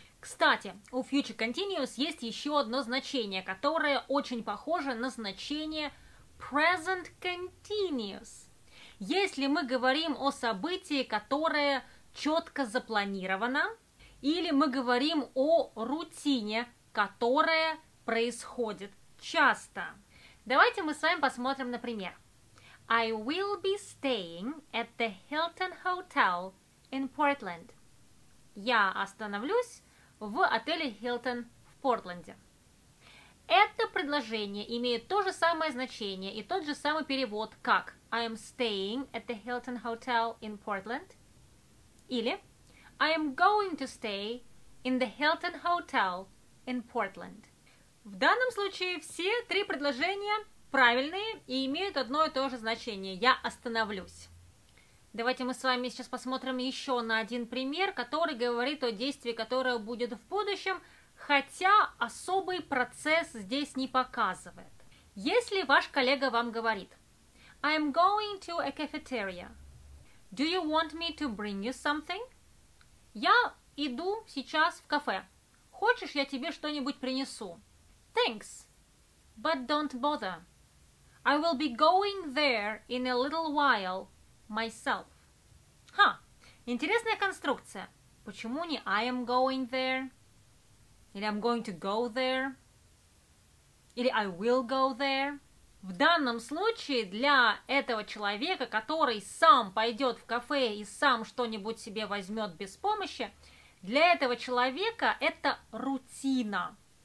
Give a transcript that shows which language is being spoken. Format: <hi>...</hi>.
<ru>Кстати, у Future Continuous есть еще одно значение, которое очень похоже на значение Present Continuous. Если мы говорим о событии, которое четко запланировано, или мы говорим о рутине, которая происходит часто. Давайте мы с вами посмотрим, например.</ru> <en>I will be staying at the Hilton Hotel in Portland.</en> <ru>Я остановлюсь в отеле Hilton в Портленде. Это предложение имеет то же самое значение и тот же самый перевод, как</ru> <en>I am staying at the Hilton Hotel in Portland.</en> <ru>Или</ru> <en>I am going to stay in the Hilton Hotel in Portland.</en> <ru>В данном случае все три предложения правильные и имеют одно и то же значение. Я остановлюсь. Давайте мы с вами сейчас посмотрим еще на один пример, который говорит о действии, которое будет в будущем, хотя особый процесс здесь не показывает. Если ваш коллега вам говорит</ru> <en>I am going to a cafeteria. Do you want me to bring you something?</en> <ru>Я иду сейчас в кафе. Хочешь, я тебе что-нибудь принесу?</ru> <en>Thanks, but don't bother. I will be going there in a little while myself.</en> <ru>Ха, интересная конструкция. Почему не</ru> <en>I am going there?</en> <ru>Или</ru> <en>I'm going to go there?</en> <ru>Или</ru> <en>I will go there?</en> <ru>В данном случае для этого человека, который сам пойдет в кафе и сам что-нибудь себе возьмет без помощи, для этого человека это рутина.</ru>